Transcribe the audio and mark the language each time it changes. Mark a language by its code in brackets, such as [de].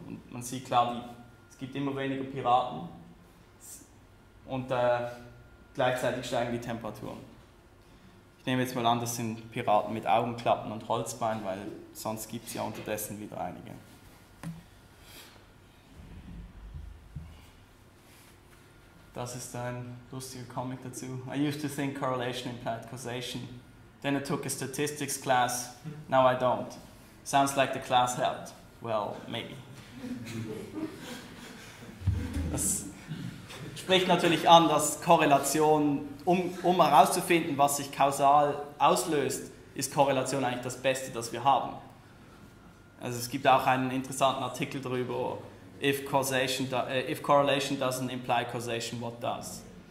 [de] Und man sieht klar, es gibt immer weniger Piraten und gleichzeitig steigen die Temperaturen. Ich nehme jetzt mal an, das sind Piraten mit Augenklappen und Holzbein, weil sonst gibt es ja unterdessen wieder einige. Das ist ein lustiger Comic dazu. [en] I used to think correlation implied causation. Then I took a statistics class. Now I don't. Sounds like the class helped. Well, maybe. [de] Das spricht natürlich an, dass Korrelation, um herauszufinden, was sich kausal auslöst, ist Korrelation eigentlich das Beste, das wir haben. Also es gibt auch einen interessanten Artikel darüber, [en] if correlation doesn't imply causation, what does?